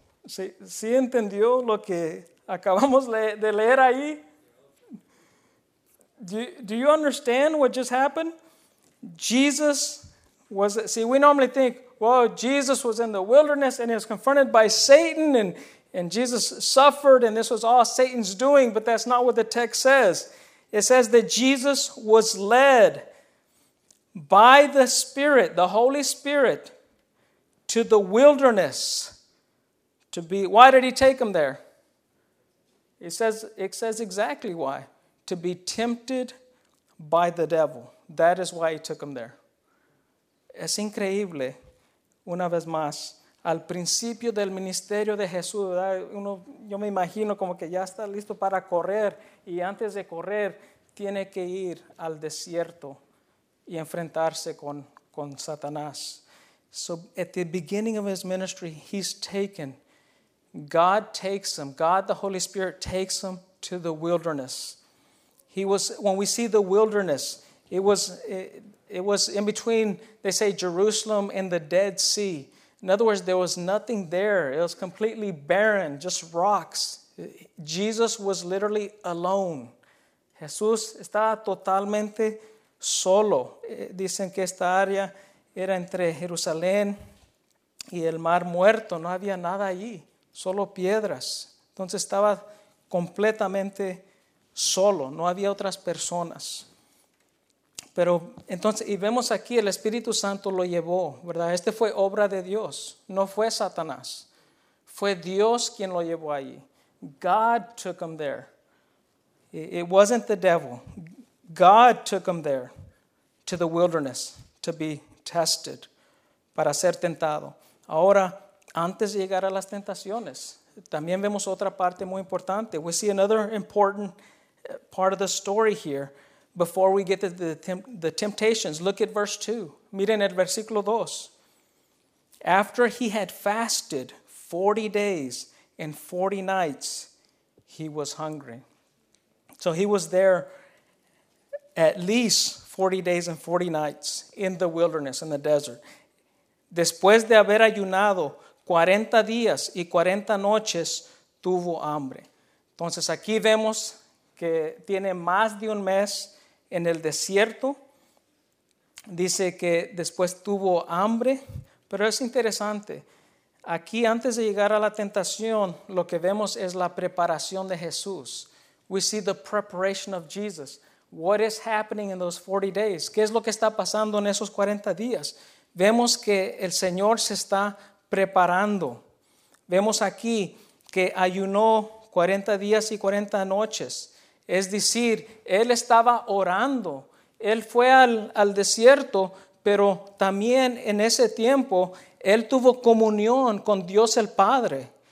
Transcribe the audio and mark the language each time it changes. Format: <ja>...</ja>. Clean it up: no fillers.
<es>¿Sí entendió lo que acabamos de leer ahí?</es> <en>Do you understand what just happened? Jesus was, see, we normally think, well, Jesus was in the wilderness and he was confronted by Satan and Jesus suffered and this was all Satan's doing, but that's not what the text says. It says that Jesus was led by the Spirit, the Holy Spirit, to the wilderness to be, why did he take him there? It says exactly why. To be tempted by the devil. That is why he took him there.</en> <es>Es increíble, una vez más, al principio del ministerio de Jesús, ¿verdad? Uno, yo me imagino como que ya está listo para correr y antes de correr tiene que ir al desierto y enfrentarse con Satanás.</es> <en>So at the beginning of his ministry, he's taken. God takes him. God, the Holy Spirit, takes him to the wilderness. He was, when we see the wilderness, it was in between, they say, Jerusalem and the Dead Sea. In other words, there was nothing there. It was completely barren, just rocks. Jesus was literally alone.</en> <es>Jesús estaba totalmente solo. Dicen que esta área era entre Jerusalén y el Mar Muerto. No había nada allí, solo piedras. Entonces estaba completamente solo, no había otras personas. Pero entonces, y vemos aquí el Espíritu Santo lo llevó, ¿verdad? Este fue obra de Dios, no fue Satanás. Fue Dios quien lo llevó allí.</es> <en>God took him there. It wasn't the devil. God took him there to the wilderness to be tested,</en> <es>para ser tentado. Ahora, antes de llegar a las tentaciones, también vemos otra parte muy importante.</es> <en>We see another important part of the story here before we get to the temptations. Look at verse 2.</en> <es>Miren el versículo 2.</es> <en>After he had fasted 40 days and 40 nights, he was hungry. So he was there at least 40 days and 40 nights in the wilderness, in the desert.</en> <es>Después de haber ayunado 40 días y 40 noches, tuvo hambre. Entonces aquí vemos que tiene más de un mes en el desierto. Dice que después tuvo hambre. Pero es interesante. Aquí antes de llegar a la tentación, lo que vemos es la preparación de Jesús.</es> <en>We see the preparation of Jesus. What is happening in those 40 days?</en> <es>¿Qué es lo que está pasando en esos 40 días? Vemos que el Señor se está preparando. Vemos aquí que ayunó 40 días y 40 noches. Es decir, él estaba orando. Él fue al desierto, pero también en ese tiempo, él tuvo comunión con Dios el Padre.</es>